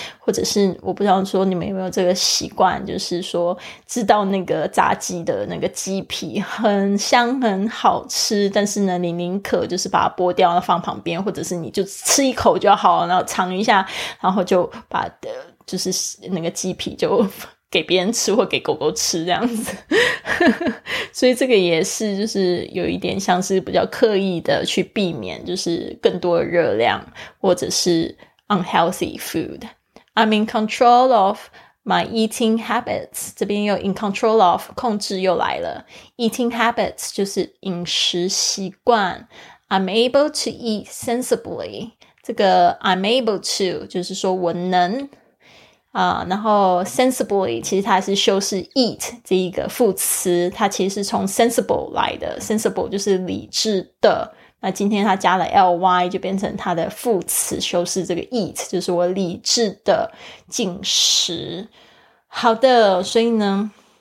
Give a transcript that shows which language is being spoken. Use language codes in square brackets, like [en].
[zh] 或者是我不知道说你们有没有这个习惯，就是说知道那个炸鸡的那个鸡皮很香很好吃，但是呢你宁可就是把它剥掉了放旁边，或者是你就吃一口就好，然后尝一下，然后就把就是那个鸡皮就给别人吃或给狗狗吃这样子所以这个也是就是有一点像是比较刻意的去避免就是更多的热量或者是 unhealthy food。 [en] I'm in control of my eating habits， [zh] 这边又 [en] in control of [zh] 控制又来了。 eating habits 就是饮食习惯。 [en] I'm able to eat sensibly， [zh] 这个 [en] I'm able to [zh] 就是说我能然后 sensibly 其实它是修饰 eat 这一个副词，它其实是从 sensible 来的， sensible 就是理智的，那今天它加了 ly 就变成它的副词修饰这个 eat， 就是我理智的进食。好的，所以呢